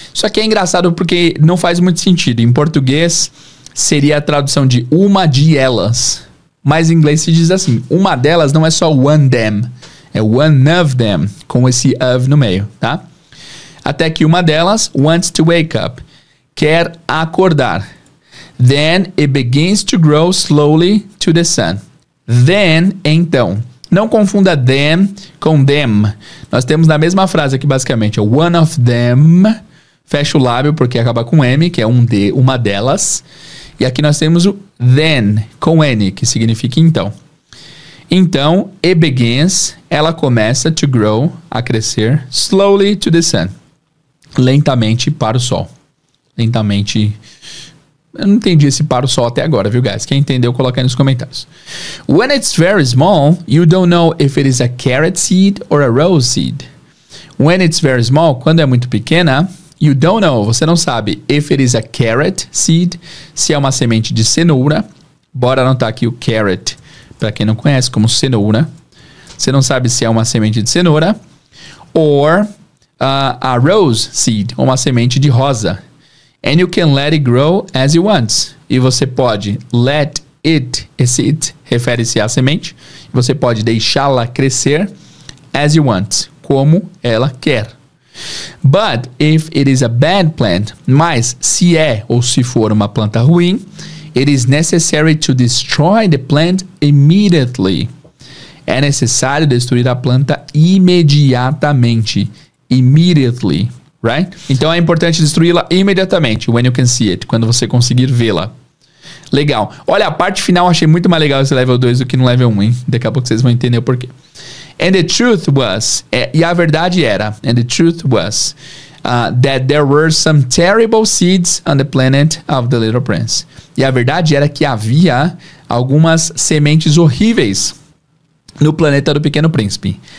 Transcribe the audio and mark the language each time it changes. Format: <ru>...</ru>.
<pt>Isso aqui é engraçado porque não faz muito sentido. Em português, seria a tradução de uma de elas. Mas em inglês se diz assim. Uma delas não é só</pt> <en>one them.</en> <pt>É</pt> <en>one of them,</en> <pt>com esse of no meio, tá? Até que uma delas</pt> <en>wants to wake up.</en> <pt>Quer acordar.</pt> <en>Then it begins to grow slowly to the sun. Then,</en> <pt>então. Não confunda them com them. Nós temos na mesma frase aqui, basicamente.</pt> <en>One of them.</en> <pt>Fecha o lábio, porque acaba com M, que é um D, uma delas. E aqui nós temos o then, com N, que significa então. Então,</pt> <en>it begins,</en> <pt>ela começa</pt> <en>to grow,</en> <pt>a crescer,</pt> <en>slowly to the sun.</en> <pt>Lentamente para o sol. Lentamente. Eu não entendi esse para o sol até agora, viu, guys? Quem entendeu, coloca aí nos comentários.</pt> <en>When it's very small, you don't know if it is a carrot seed or a rose seed. When it's very small,</en> <pt>quando é muito pequena,</pt> <en>you don't know,</en> <pt>você não sabe,</pt> <en>if it is a carrot seed,</en> <pt>se é uma semente de cenoura. Bora anotar aqui o carrot, para quem não conhece, como cenoura. Você não sabe se é uma semente de cenoura.</pt> <en>Or a rose seed,</en> <pt>uma semente de rosa.</pt> <en>And you can let it grow as it wants.</en> <pt>E você pode</pt> <en>let it,</en> <pt>esse it refere-se à semente. Você pode deixá-la crescer</pt> <en>as you want,</en> <pt>como ela quer.</pt> <en>But if it is a bad plant,</en> <pt>mas se é ou se for uma planta ruim,</pt> <en>it is necessary to destroy the plant immediately.</en> <pt>É necessário destruir a planta imediatamente.</pt> <en>Immediately. Right?</en> <pt>Então é importante destruí-la imediatamente.</pt> <en>When you can see it.</en> <pt>Quando você conseguir vê-la. Legal. Olha, a parte final eu achei muito mais legal esse level 2 do que no level 1, hein? Daqui a pouco vocês vão entender o porquê.</pt> <en>And the truth was.</en> <pt>É, e a verdade era.</pt> <en>And the truth was. That there were some terrible seeds on the planet of the Little Prince.</en> <pt>E a verdade era que havia algumas sementes horríveis no planeta do Pequeno Príncipe.</pt>